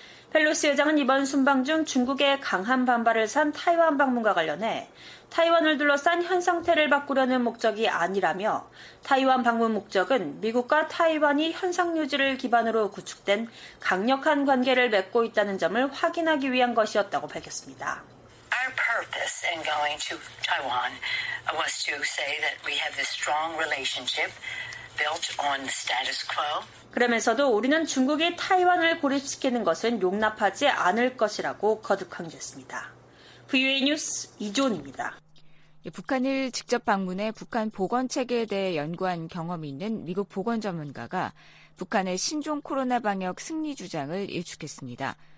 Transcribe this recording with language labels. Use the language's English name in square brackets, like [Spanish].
[Korean] 펠로시 의장은 이번 순방 중 중국의 강한 반발을 산 타이완 방문과 관련해 타이완을 둘러싼 현 상태를 바꾸려는 목적이 아니라며 타이완 방문 목적은 미국과 타이완이 현상 유지를 기반으로 구축된 강력한 관계를 맺고 있다는 점을 확인하기 위한 것이었다고 밝혔습니다. [English] Our purpose in going to Taiwan was to say that we have this strong relationship built on the status quo. [Korean] 그러면서도 우리는 중국이 타이완을 고립시키는 것은 용납하지 않을 것이라고 거듭 강조했습니다. VOA 뉴스 이존입니다. 북한을 직접 방문해 북한 보건체계에 대해 연구한 경험이 있는 미국 보건 전문가가 북한의 신종 코로나 방역 승리 주장을 일축했습니다.